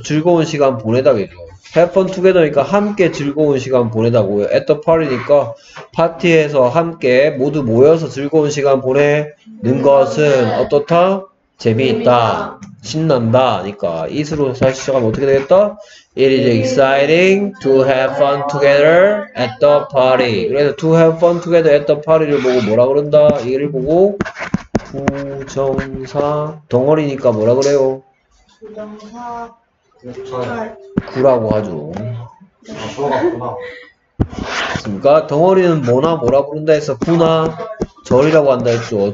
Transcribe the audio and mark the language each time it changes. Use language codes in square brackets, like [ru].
[ko] 즐거운 시간 보내다겠죠. [en] have fun together [ko] 니까 함께 즐거운 시간 보내다고요. [en] at the party [ko] 니까 파티에서 함께 모두 모여서 즐거운 시간 보내는 것은 어떻다? 재미있다. 신난다. 니까 is로 다시 시작하면 어떻게 되겠다? [en] It is exciting to have fun together at the party. [ko] 그래서 [en] to have fun together at the party [ko] 를 보고 뭐라 그런다? 이를 보고 부정사 덩어리니까 뭐라 그래요? 부정사 구라고 하죠. 그렇습니까? 덩어리는 뭐나 뭐라 부른다 해서 구나 절이라고 한다 했죠.